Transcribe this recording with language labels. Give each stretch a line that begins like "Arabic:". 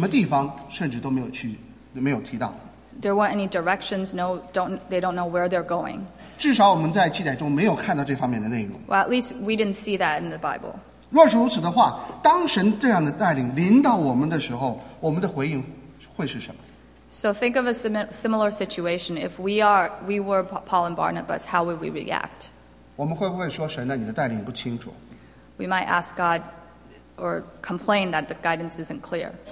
Chinese: 不但没有讲说要做什么,连去什么地方,甚至都没有提到。
English: There weren't any directions, they don't know where they're going.
Chinese: 至少我们在记载中没有看到这方面的内容。
English: Well, at least we didn't see that in the Bible.
Chinese: 若是如此的话,当神这样的带领临到我们的时候,我们的回应会是什么?
English: So think of a similar situation. If we were Paul and Barnabas, how would we react?
Chinese: 我们会不会说神的你的带领不清楚?
English: We might ask God or complain that the guidance isn't clear.